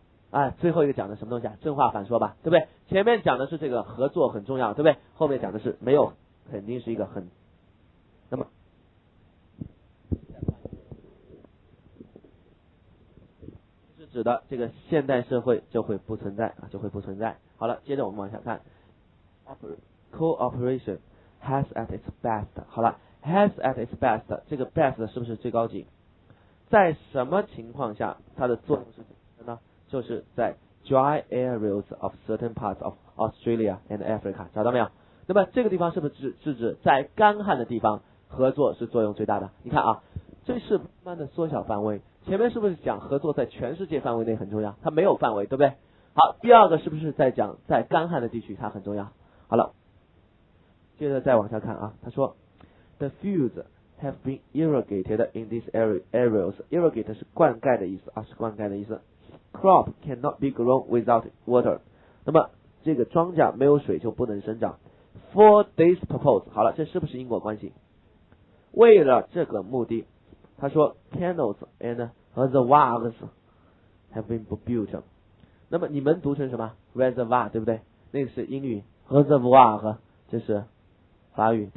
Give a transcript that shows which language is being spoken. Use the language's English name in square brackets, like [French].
[Chinese] 哎，最后一个讲的什么东西啊？正话反说吧，对不对？前面讲的是这个合作很重要，对不对？后面讲的是没有，肯定是一个很，那么。指的这个现代社会就会不存在啊，就会不存在。好了，接着我们往下看 ， [English] cooperation has at its best。 [Chinese] 好了 ， [English] has at its best， [Chinese] 这个 best 是不是最高级？在什么情况下它的作用是怎样的呢？ [English] 就是在 dry areas of certain parts of Australia and Africa， [Chinese] 找到没有？那么这个地方是不是是指在干旱的地方合作是作用最大的？你看啊，这是慢慢的缩小范围。前面是不是讲合作在全世界范围内很重要？它没有范围，对不对？好，第二个是不是在讲在干旱的地区它很重要？好了，接着再往下看啊，他说 ， [English] the fields have been irrigated in these areas. [Chinese] Irrigate 是灌溉的意思啊，是灌溉的意思。 [English] Crop cannot be grown without water. [Chinese] 那么这个庄稼没有水就不能生长。 [English] For this purpose， [Chinese] 好了，这是不是因果关系？为了这个目的。他说 ， [English] canals and reservoirs have been built。 [Chinese] 那么你们读成什么 ？reservoir 对不对？那个是英语 ，reservoir 这是法语。